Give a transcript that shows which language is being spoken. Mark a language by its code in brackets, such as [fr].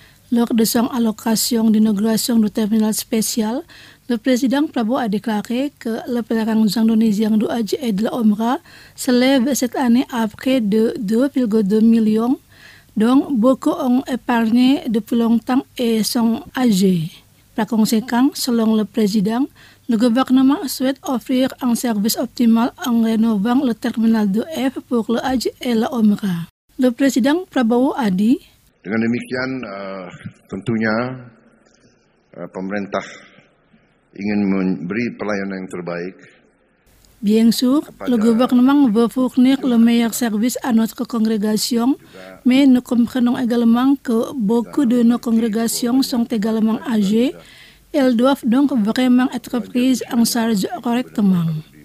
[fr] Lors de son allocation d'inauguration du terminal spécial, le président Prabowo a déclaré que le pèlerin indonésien du Haji et de la Umrah s'élève cette année à près de 2,2 millions, dont beaucoup ont épargné depuis longtemps et sont âgés. Par conséquent, selon le président, le gouvernement souhaite offrir un service optimal en rénovant le terminal 2F pour le Haji et la Umrah. Le président Prabowo a dit: [id] dengan demikian, tentunya pemerintah ingin memberi pelayanan yang terbaik. [fr] Bien sûr, le gouvernement veut fournir le meilleur service à notre congrégation, mais nous comprenons également que beaucoup de nos congrégations sont également âgées. Elles doivent donc vraiment être prises en charge correctement.